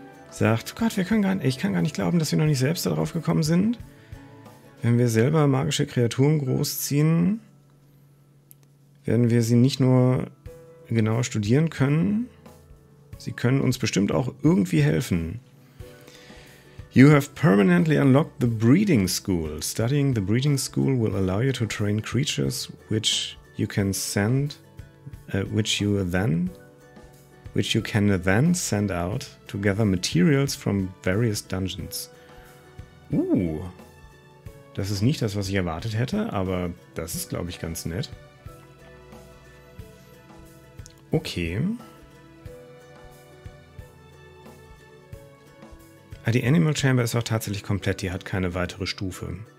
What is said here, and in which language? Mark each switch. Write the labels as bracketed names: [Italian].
[German] Sagt, Gott, ich kann gar nicht glauben, dass wir noch nicht selbst darauf gekommen sind. Wenn wir selber magische Kreaturen großziehen, werden wir sie nicht nur genauer studieren können. Sie können uns bestimmt auch irgendwie helfen. [English] You have permanently unlocked the breeding school. Studying the breeding school will allow you to train creatures which you can send which you can then send out to gather materials from various dungeons. [German] Das ist nicht das, was ich erwartet hätte, aber das ist, glaube ich, ganz nett. Okay. Ah, die Animal Chamber ist auch tatsächlich komplett, die hat keine weitere Stufe.